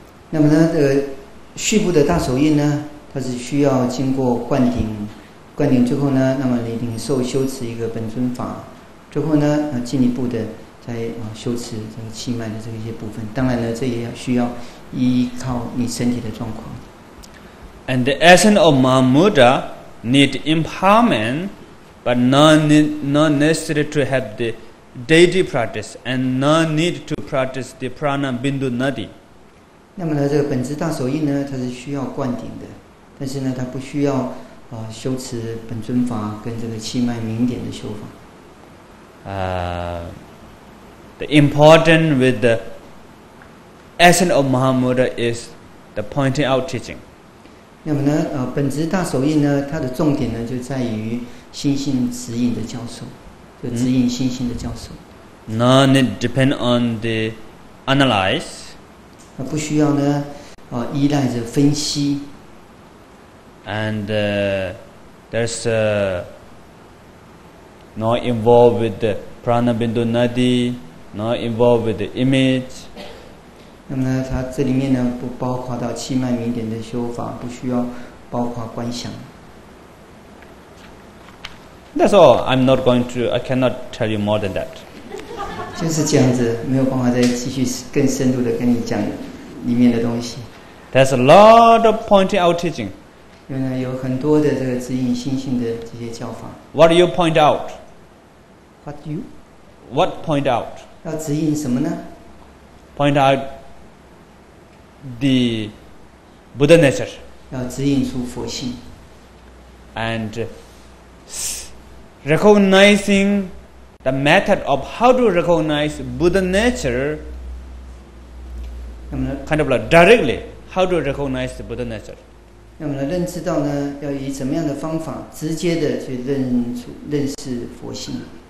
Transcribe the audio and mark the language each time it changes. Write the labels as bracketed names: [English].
[Chinese] 那么呢，续部的大手印呢，它是需要经过灌顶之后呢，那么你领受修持一个本尊法之后呢，进一步的。在修持这个气脉的这些部分，当然呢，这也要需要依靠你身体的状况。 [English] And the essence of Mahamudra need empowerment, but not necessary to have the deity practice, and not need to practice the prana bindu nadi. [Chinese] 那么呢，这个本质大手印呢，它是需要灌顶的，但是呢，它不需要修持本尊法跟这个气脉明点的修法。 [English] The important with the essence of Mahamudra is the pointing out teaching. [Chinese] 那么呢，本质大手印呢，它的重点呢就在于心性指引的教授，就指引心性的教授。 [English] None depend on the analyze。 [Chinese] 那不需要呢，依赖着分析。 [English] And there's not involved with the pranabindu nadi, not involved with the image。 [Chinese] 那么呢，它这里面呢不包括到气脉明点的修法，不需要包括观想。 [English] That's all. I'm not going to. I cannot tell you more than that. [Chinese] 就是这样子，没有办法再继续更深入的跟你讲里面的东西。 [English] There's a lot of pointing out teaching. [Chinese] 因为呢，有很多的这个指引心性的这些教法。 [English] What do you point out? What do you? What point out? [Chinese] 要指引什么呢？ [English] Point out. The Buddha nature. [Chinese] 要指引出佛性。 [English] And recognizing the method of how to recognize Buddha nature, kind of like directly, how to recognize the Buddha nature. [Chinese] 那么呢，认知到呢，要以怎么样的方法直接的去认识佛性。